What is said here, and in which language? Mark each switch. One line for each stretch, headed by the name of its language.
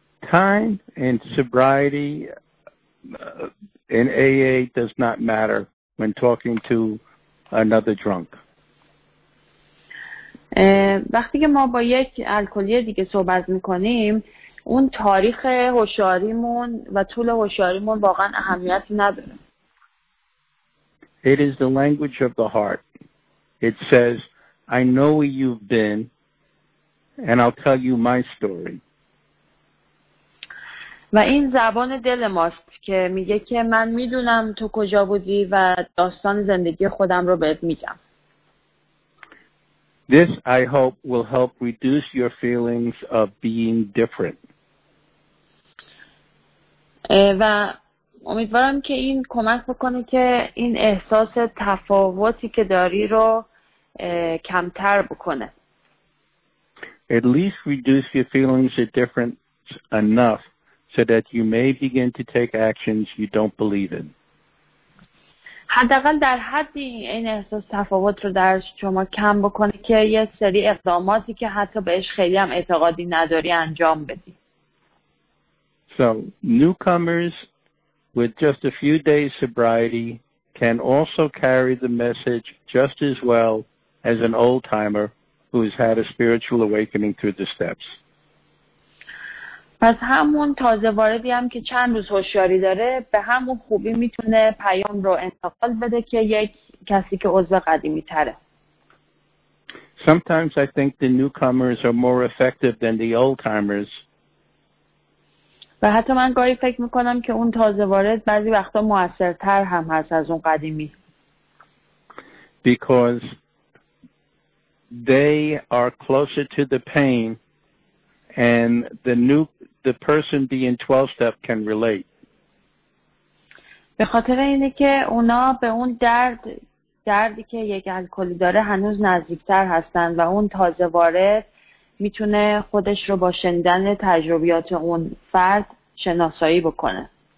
English: Time and sobriety in AA does not matter when talking to another drunk.
Persian: وقتی که ما با یک الکلی دیگه صحبت میکنیم، اون تاریخ هوشیاریمون و طول هوشیاریمون واقعا اهمیتی نداره.
English: It is the language of the heart. It says, I know where you've been, and I'll tell you my story.
Persian: و این زبان دل ماست که میگه که من میدونم تو کجا بودی و داستان زندگی خودم رو بهت میگم.
English: This I hope will help reduce your feelings of being different.
Persian: و امیدوارم که این کمک بکنه که این احساس تفاوتی که داری رو کمتر بکنه.
English: At least reduce your feelings of difference enough so that you may begin to take actions you don't believe in.
Persian: حداقل در حدی این احساس تفاوت رو در شما کم بکنه که یه سری اقداماتی که حتی بهش خیلی هم اعتقادی نداری انجام بدی.
English: So newcomers with just a few days sobriety can also carry the message just as well as an old timer who has had a spiritual awakening through the steps.
Persian: پس همون تازه واردی هم که چند روز هوشیاری داره به همون خوبی میتونه پیام رو انتقال بده که یک کسی که عضو قدیمی تره.
English: Sometimes I think the newcomers are more effective than the old timers.
Persian: و حتی من گاهی فکر میکنم که اون تازه وارد بعضی وقتا موثرتر هم هست از اون قدیمی.
English: Because they are closer to the pain and the person being 12 step can relate.
Persian: به خاطر اینه که اونا به اون دردی که یک الکلی داره هنوز نزدیکتر هستن و اون تازه وارد میتونه خودش رو با شنیدن تجربیات اون فرد شناسایی بکنه.